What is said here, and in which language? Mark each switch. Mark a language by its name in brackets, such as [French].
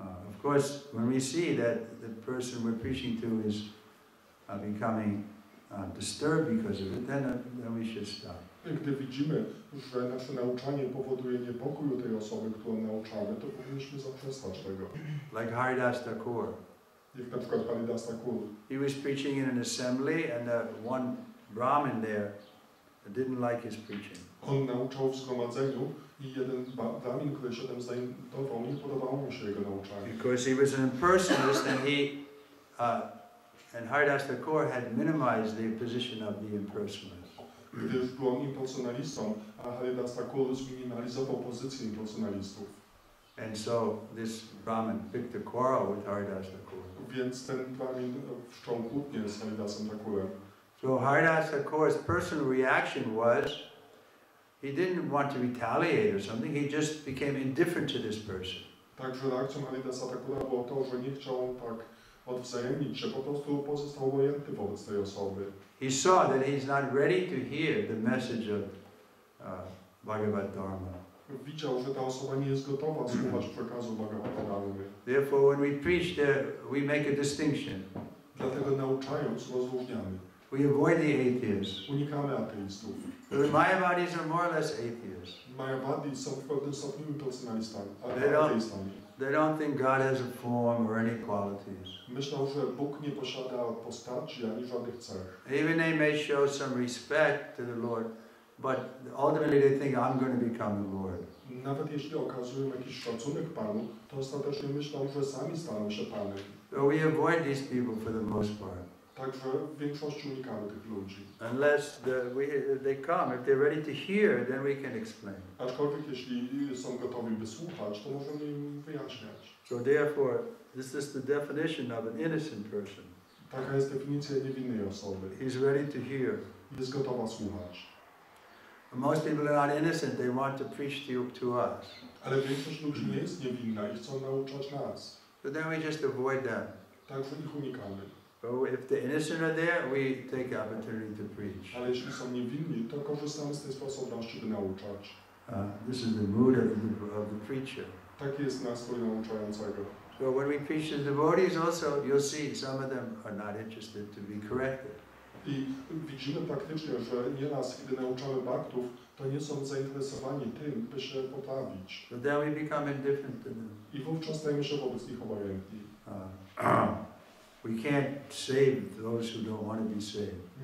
[English] Of course, when we see that the person we're preaching to is becoming disturbed because of it, then we should stop. [Polish] Gdy widzimy, że nasze nauczanie powoduje niepokój u tej osoby, którą nauczamy, to powinniśmy zaprzestać tego. [English] Like Haridas Thakur. [Polish] Jak na przykład Haridas Thakur. [English] He was preaching in an assembly and one Brahmin there didn't like his preaching. [Polish] On nauczał w zgromadzeniu i jeden Brahmin, który się tam zajmował, nie podobało mu się jego nauczanie. [English] Because he was an impersonalist and Haridas Thakur had minimized the position of the impersonalist. [Polish] Gdyż był on impersonalistą, a Haridas Thakur zminimalizował pozycję impersonalistów. [English] And so this Brahmin picked a quarrel with Haridas Thakur. [Polish] Więc ten Brahmin wszczął kłótnię z Haridasem Thakurem. [English] So Haridas Thakur's personal reaction was, he didn't want to retaliate or something, he just became indifferent to this person. [Polish] Także reakcją Haridasa Thakura było to, że nie chciał tak odwzajemnić się, po prostu pozostał obojętny wobec tej osoby. [English] He saw that he's not ready to hear the message of Bhagavad Dharma. [Polish] Widział, że ta osoba nie jest gotowa słuchać przekazu Bhagavad Dharmy. [English] Therefore, when we preach there, we make a distinction. [Polish] Dlatego nauczając, rozróżniamy. [English] We avoid the atheists. [Polish] Unikamy ateistów. [English] The Mayavadis are more or less atheists. [Polish] Mayavadis są w pewnym stopniu impersonalistami. [English] They don't think God has a form or any qualities. [Polish] Myślą, że Bóg nie posiada postaci ani żadnych cech. [English] Even they may show some respect to the Lord, but ultimately they think I'm going to become the Lord. [Polish] Nawet jeśli okazują jakiś szacunek Panu, to ostatecznie myślą, że sami staną się Panem. [English] So we avoid these people for the most part. [Polish] Także większość unikamy tych ludzi. [English] Unless they come, if they're ready to hear, then we can explain. [Polish] Aczkolwiek jeśli są gotowi by słuchać, to możemy im wyjaśniać. [English] So therefore, this is the definition of an innocent person. [Polish] Taka jest definicja niewinnej osoby. [English] He's ready to hear. [Polish] Jest gotowa słuchać. [English] Most people are not innocent. They want to preach to us. [Polish] Ale większość ludzi nie jest niewinna i chcą nauczać nas. [English] So then we just avoid them. [Polish] Także ich unikamy. [English] But if the innocent are there, we take the opportunity to preach. [Polish] Ale jeśli są niewinni, to korzystamy z tej sposobności, by nauczać. [English] This is the mood of the preacher. [Polish] Taki jest nastrój nauczającego. [English] So when we preach to the devotees also, you'll see some of them are not interested to be corrected. [Polish] I widzimy praktycznie, że nieraz, kiedy nauczamy baktów, to nie są zainteresowani tym, by się poprawić. [English] So then we become indifferent to them. [Polish] I wówczas stajemy się wobec nich obojętni. [English] We can't save those who don't want to be saved.